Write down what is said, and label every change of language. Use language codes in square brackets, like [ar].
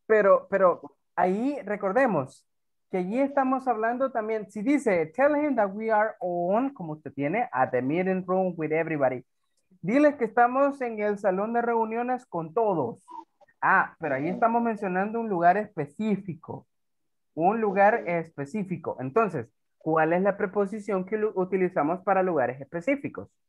[es] Pero ahí recordemos que allí estamos hablando también. Si dice, [en] tell him that we are on, [es] como usted tiene, [en] at the meeting room with everybody. [es] Diles que estamos en el salón de reuniones con todos. Ah, pero ahí estamos mencionando un lugar específico. Un lugar específico. Entonces, ¿cuál es la preposición que utilizamos para lugares específicos?